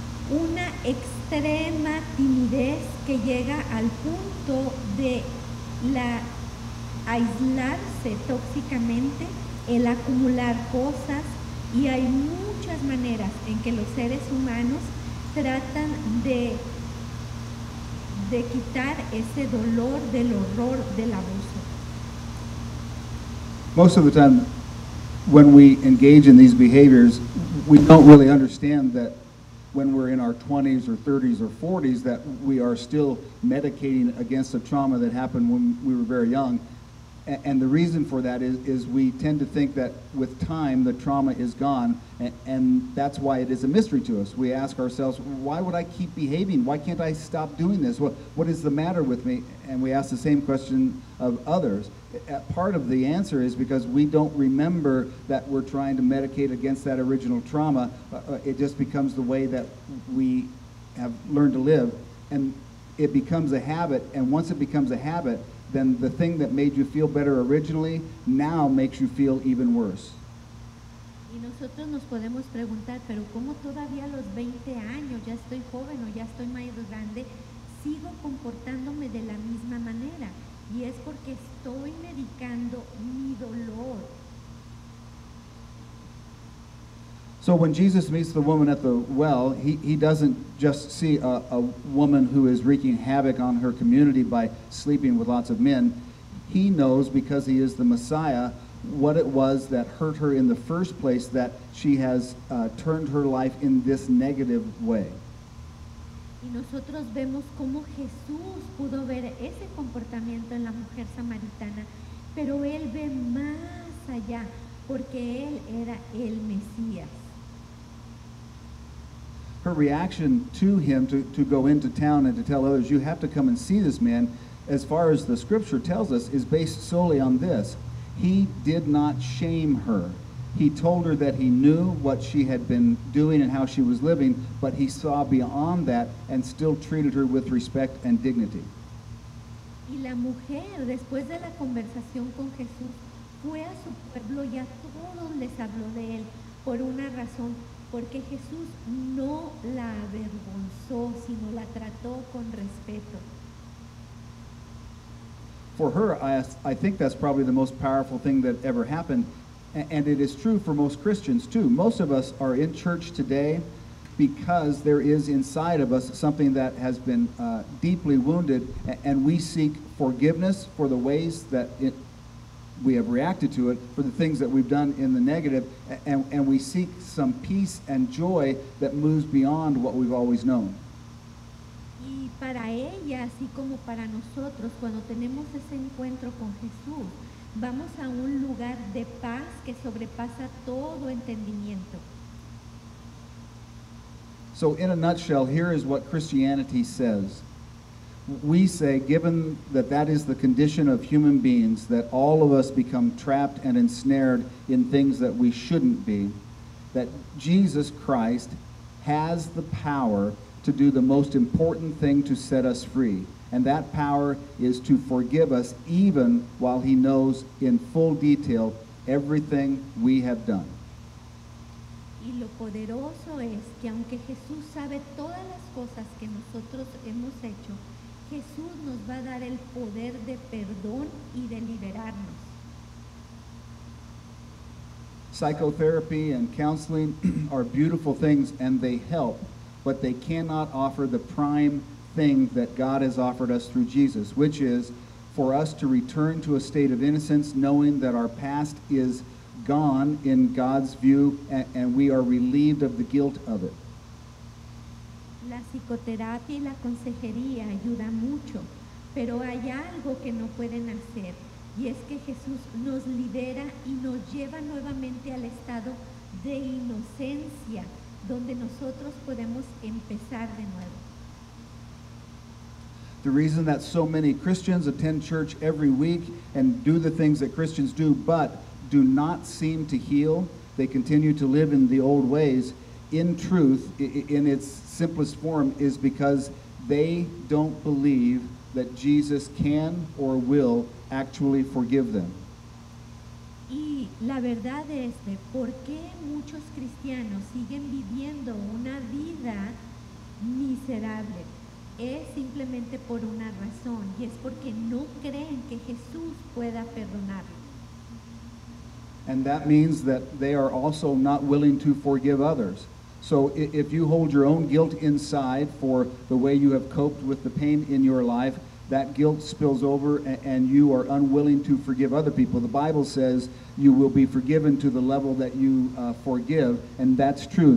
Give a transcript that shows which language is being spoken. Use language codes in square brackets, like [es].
[es] una extrema timidez que llega al punto de la aislarse tóxicamente, el acumular cosas, y hay muchas maneras en que los seres humanos tratan de quitar ese dolor del horror del abuso. [en] Most of the time, when we engage in these behaviors, we don't really understand that when we're in our 20s or 30s or 40s, that we are still medicating against a trauma that happened when we were very young. And the reason for that is we tend to think that with time, the trauma is gone, and that's why it is a mystery to us. We ask ourselves, why would I keep behaving? Why can't I stop doing this? What is the matter with me? And we ask the same question of others. Part of the answer is because we don't remember that we're trying to medicate against that original trauma. It just becomes the way that we have learned to live, and it becomes a habit, and once it becomes a habit, then the thing that made you feel better originally now makes you feel even worse. [es] Y nosotros nos podemos preguntar, pero ¿cómo todavía a los 20 años, ya estoy joven o ya estoy más grande, sigo comportándome de la misma manera? Y es porque estoy medicando mi dolor. [en] So when Jesus meets the woman at the well, he doesn't just see a woman who is wreaking havoc on her community by sleeping with lots of men. He knows, because he is the Messiah, what it was that hurt her in the first place, that she has turned her life in this negative way. [es] Y nosotros vemos cómo Jesús pudo ver ese comportamiento en la mujer samaritana, pero él ve más allá, porque él era el Mesías. [en] Her reaction to him to go into town and to tell others, you have to come and see this man, as far as the scripture tells us, is based solely on this. He did not shame her. He told her that he knew what she had been doing and how she was living, but he saw beyond that and still treated her with respect and dignity. [es] Y la mujer, después de la conversación con Jesús, fue a su pueblo y a todos les habló de él por una razón. Porque Jesús no la avergonzó, sino la trató con respeto. [en] for her, I think that's probably the most powerful thing that ever happened. And it is true for most Christians too. Most of us are in church today because there is inside of us something that has been deeply wounded, and we seek forgiveness for the ways that we have reacted to it, for the things that we've done in the negative, and we seek some peace and joy that moves beyond what we've always known. [es] Y para ella, así como para nosotros, cuando tenemos ese encuentro con Jesús, vamos a un lugar de paz que sobrepasa todo entendimiento. [en] So in a nutshell, here is what Christianity says. We say, given that that is the condition of human beings, that all of us become trapped and ensnared in things that we shouldn't be, that Jesus Christ has the power to do the most important thing to set us free. And that power is to forgive us even while he knows in full detail everything we have done. [es] Y lo poderoso es que aunque Jesús sabe todas las cosas que nosotros hemos hecho, Jesús nos va a dar el poder de perdón y de liberarnos. [en] Psychotherapy and counseling are beautiful things and they help, but they cannot offer the prime thing that God has offered us through Jesus, which is for us to return to a state of innocence, knowing that our past is gone in God's view, and we are relieved of the guilt of it. [es] La psicoterapia y la consejería ayuda mucho, pero hay algo que no pueden hacer, y es que Jesús nos libera y nos lleva nuevamente al estado de inocencia, donde nosotros podemos empezar de nuevo. [en] The reason that so many Christians attend church every week and do the things that Christians do, but do not seem to heal, they continue to live in the old ways, in truth, in its simplest form, is because they don't believe that Jesus can or will actually forgive them. [es] Y la verdad es de por qué muchos cristianos siguen viviendo una vida miserable. Es simplemente por una razón, y es porque no creen que Jesús pueda perdonarlo. [en] And that means that they are also not willing to forgive others. So if you hold your own guilt inside for the way you have coped with the pain in your life, that guilt spills over and you are unwilling to forgive other people. The Bible says you will be forgiven to the level that you forgive, and that's true.